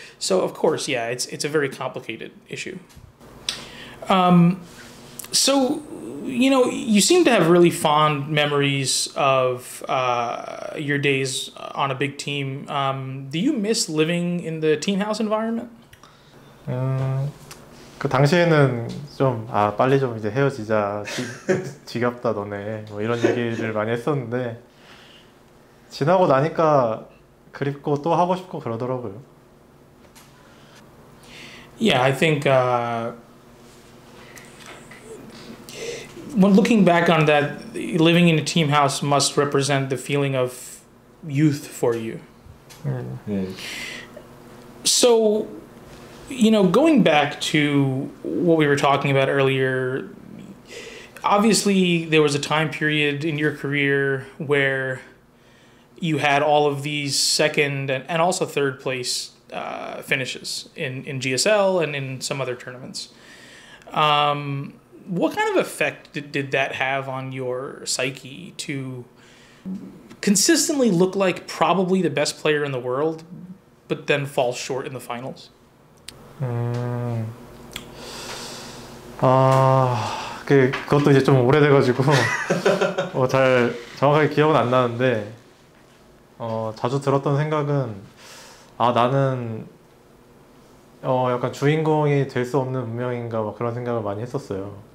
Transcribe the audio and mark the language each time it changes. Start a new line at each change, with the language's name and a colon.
English: So, of course, yeah, it's a very complicated issue. So, you know, you seem to have really fond memories of your days on a big team. Do you miss living in the team house environment?
Korean: 그 당시에는 좀, 아, 빨리 좀 이제 헤어지자. 지겹다, 너네. 뭐 이런 얘기를 많이 했었는데, 지나고 나니까 그립고 또 하고 싶고 그러더라고요.
English: Yeah, I think, when looking back on that, living in a team house must represent the feeling of youth for you. Mm-hmm. So, you know, going back to what we were talking about earlier, obviously there was a time period in your career where you had all of these second and also third place finishes in GSL and in some other tournaments. What kind of effect did that have on your psyche to consistently look like probably the best player in the world, but then fall short in the finals?
Korean: 아, 그것도 이제 좀 오래돼가지고 잘 정확하게 기억은 안 나는데 자주 들었던 생각은 아 나는 약간 주인공이 될 수 없는 운명인가 막 그런 생각을 많이 했었어요.